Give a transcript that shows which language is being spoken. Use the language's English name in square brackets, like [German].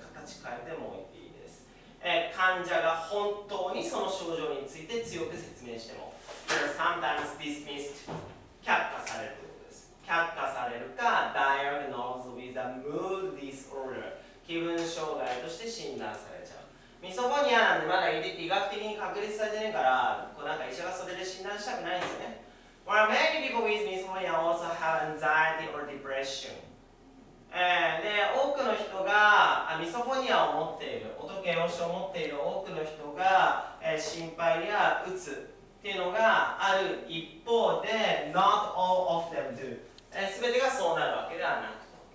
[Japanese] 変えてもいいです。患者が本当にその症状について強く説明しても [English] sometimes dismissed、 [Japanese] 却下されるということです。却下されるか [English] diagnosed with a mood disorder、 [Japanese] 気分障害として診断されちゃう。ミソフォニアなんてまだ医学的に確立されてないから、こうなんか医者がそれで診断したくないんですよね。 [English] Well, many people with misophonia also have anxiety or depression。 [Japanese] で多くの人がミソフォニアを持っている、音嫌悪症を持っている多くの人が、心配やうつっていうのがある一方で [English] Not all of them do、 [Japanese] 全てがそうなるわけではなくと。